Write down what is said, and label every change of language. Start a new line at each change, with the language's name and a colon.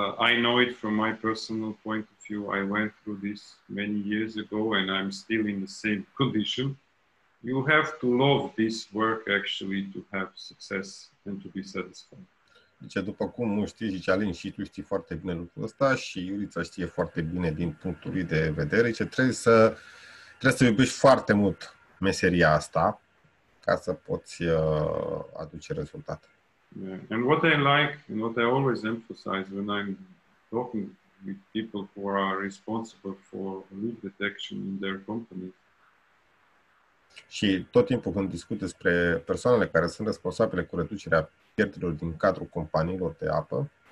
English: I know it from my personal point of view. I went through this many years ago and I'm still in the same condition. You have to love this work actually to have success and to be satisfied.
Romanian: Deci, după cum nu știi, zice Alin, și tu știi foarte bine lucrul ăsta și Iurița știe foarte bine din punctul lui de vedere, ce trebuie să iubești foarte mult meseria asta ca să poți aduce rezultate.
English: Yeah. And what I like and what I always emphasize when I'm talking with people who are responsible for leak detection in their company.
Romanian: Și tot timpul când discut despre persoanele care sunt responsabile cu reducerea pierderilor din cadrul companiilor de apă.